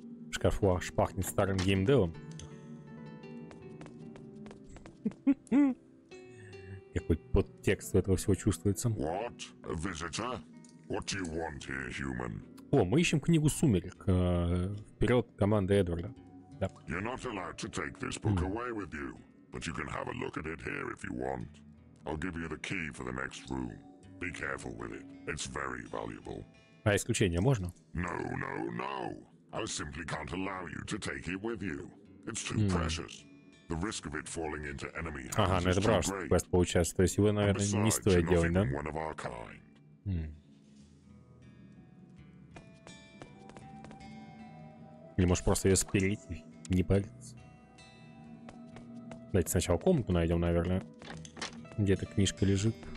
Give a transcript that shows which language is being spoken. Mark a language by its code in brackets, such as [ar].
[ru] Шкаф аж пахнет старым геймдевом. Какой подтекст у этого всего чувствуется. [en] What? A visitor? What do you want here, human? [ru] О, мы ищем книгу «Сумерек». Вперед, команда Эдварда. Да. [en] You're not allowed to take this book away with you, but you can have a look at it here if you want. I'll give you the key for the next room. Be careful with it. It's very valuable. [ru] А исключение можно? [en] No, no, no. I simply can't allow you to take it with you. It's too precious. The risk of it falling into enemy hands. [ru] Ага, ну это браво, что квест получается. То есть его, наверное, не стоит делать, да? Или может просто ее спилить, не париться. Давайте сначала комнату найдем, наверное. Где-то книжка лежит.